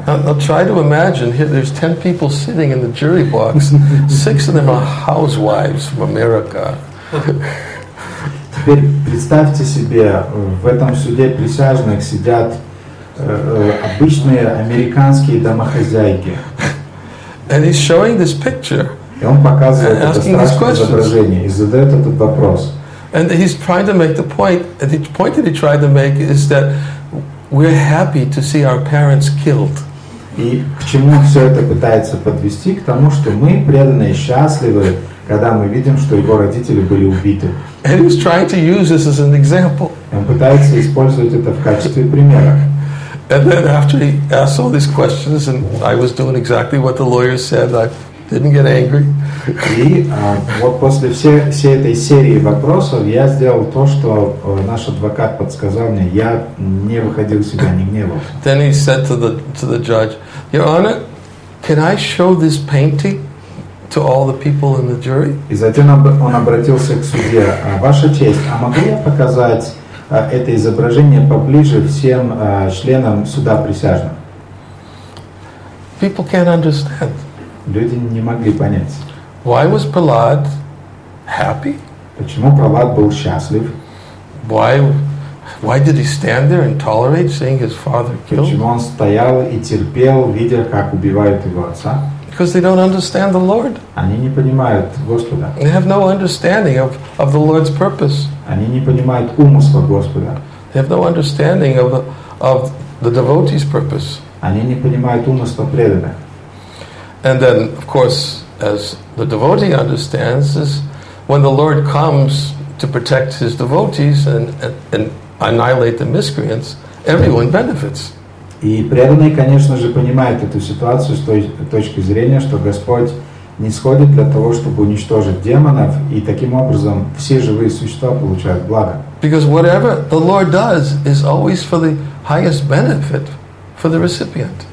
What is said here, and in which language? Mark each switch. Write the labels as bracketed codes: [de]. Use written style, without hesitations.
[en] Now try to imagine, here there's 10 people sitting in the jury box, 6 of them are housewives from America. [ru] Теперь представьте себе, в этом суде присяжных сидят обычные американские домохозяйки. [en] And he's showing this picture. [ru] И он показывает это страшное изображение и задает этот вопрос. [en] And he's trying to make the point that he tried to make is that we're happy to see our parents killed. [ru] И к чему все это пытается подвести? К тому, что мы преданные счастливы, когда мы видим, что его родители были убиты. [en] And he's trying to use this as an example. [ru] И он пытается использовать это в качестве примера. [en] And then after he asked all these questions and I was doing exactly what the lawyer said, I didn't get angry. [ru] И вот после всей этой серии вопросов я сделал то, что наш адвокат подсказал мне. Я не выходил из себя, не гневал. [en] Then he said to the judge, Your Honor, can I show this painting to all the people in the jury? [ru] И затем он обратился к судье. Ваша честь, а могу я показать это изображение поближе всем членам суда присяжных? [en] People can't understand. [ru] Люди не могли понять. [en] Why was Prahlad happy? [ru] Почему Прохлад был счастлив? [en] Why did he stand there and tolerate seeing his father killed? [ru] Почему он стоял и терпел, видя, как убивают его отца? [en] Because they don't understand the Lord. [ru] Они не понимают Господа. [en] They have no understanding of the Lord's purpose. [ru] Они не понимают умысла Господа. [en] They have no understanding of the devotee's purpose. [ru] Они не понимают умысла преданного. [en] And then, of course, as the devotee understands, is when the Lord comes to protect his devotees and annihilate the miscreants, everyone benefits. [ru] И преданный, конечно же, понимает эту ситуацию с той точки зрения, что Господь нисходит для того, чтобы уничтожить демонов, и таким образом все живые существа получают благо. [en] Because whatever the Lord does is always for the highest benefit for the recipient.